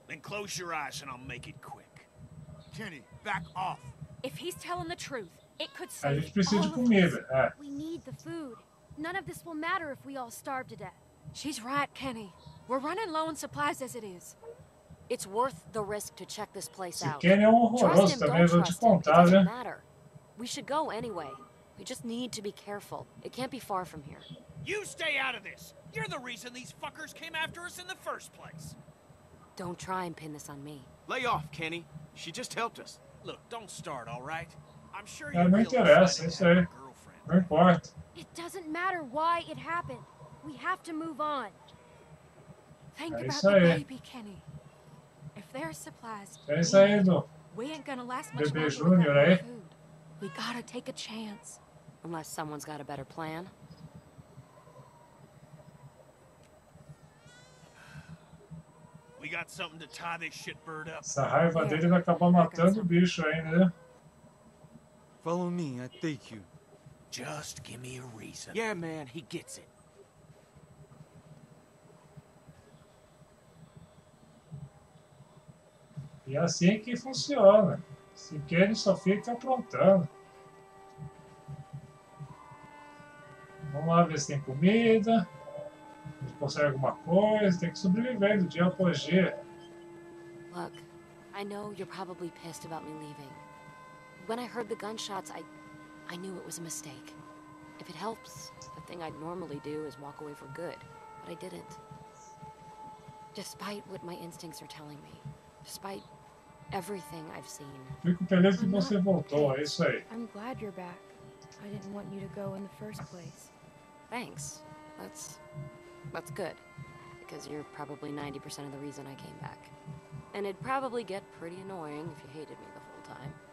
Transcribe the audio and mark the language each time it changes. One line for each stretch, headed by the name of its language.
English: Then close your eyes and I'll make it quick. Kenny, back off. If he's telling the truth, it could save all of us.
Portuguese: A gente precisa de comida.
English: We need the food. None of this will matter if we all starve to death. She's right, Kenny. We're running low on supplies as it is. It's worth the risk to check this place out.
Portuguese: Kenny é um horroroso também, vou te contar, né?
English: We should go anyway. We just need to be careful. It can't be far from here. You stay out of this! You're the reason these fuckers came after us in the first place! Don't try and pin this on me. Lay off, Kenny. She just helped us. Look, don't start, all right? I'm sure you're really excited to have a girlfriend. Very smart. It doesn't matter why it happened. We have to move on. Think about the baby, Kenny. If there are supplies, we ain't gonna last much longer without food. We gotta take a chance. Unless someone's got a better plan. We got something to tie this shit bird up.
Portuguese: Essa raiva dele vai acabar matando o bicho aí, né?
English: Follow me, I take you. Just give me a reason. Yeah, man, he gets it.
Portuguese: E assim que funciona. Se quer, ele só fica aprontando. Vamos lá ver se tem comida. Consegue alguma coisa, tem que sobreviver do dia após dia.
English: Look, I know you're probably pissed about me leaving. When I heard the gunshots, I knew it was a mistake. If it helps, the thing I'd normally do is walk away for good, but I didn't. Despite what my instincts are telling me, despite everything I've seen.
Portuguese: Fico feliz que você voltou, é isso aí.
English: I'm glad you're back. I didn't want you to go in the first place. Thanks. That's good, because you're probably 90% of the reason I came back. And it'd probably get pretty annoying if you hated me the whole time.